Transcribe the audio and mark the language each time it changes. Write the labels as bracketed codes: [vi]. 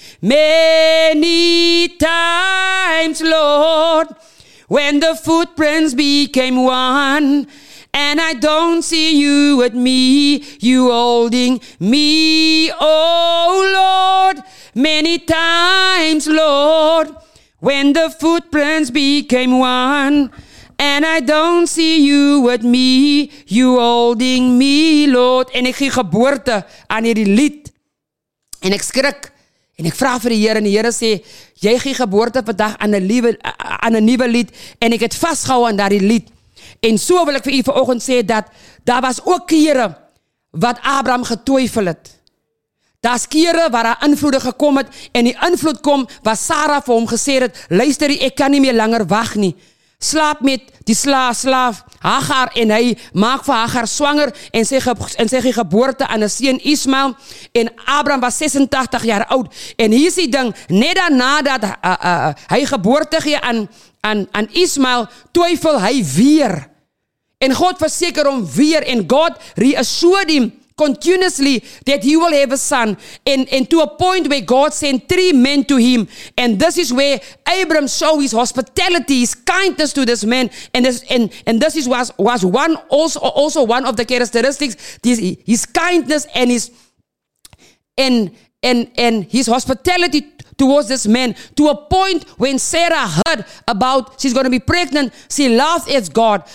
[en] Many times, Lord, when the footprints became one, and I don't see you with me, you holding me, oh Lord. Many times, Lord, when the footprints became one, and I don't see you with me, you holding me, Lord. [af] En ek gee geboorte aan hierdie lied, en ek skrik, en ek vraag vir die Here, en die Here sê, jy gee geboorte vandag aan 'n nuwe lied, en ek het vasgehou aan daardie lied. En so wil ek vir u vanoggend sê dat daar was ook kere wat Abraham getwyfel het. Daar's kere waar haar invloede gekom het en die invloed kom wat Sarah vir hom gesê het, luister, ek kan nie meer langer wag nie. Slaap met die slaaf Hagar en hy maak vir Hagar swanger en sy geboorte aan 'n seun Ismael en Abraham was 86 jaar oud. En hier is die ding, net daarna dat hy geboorte gee aan Ismael, twyfel hy weer. En God verseker hom weer, [en] en God reassured him continuously that he will have a son, and to a point where God sent 3 men to him, and this is where Abram showed his hospitality, his kindness to this man, and this was one also one of the characteristics, his kindness and his hospitality towards this man, to a point when Sarah heard about she's going to be pregnant, she laughed at God.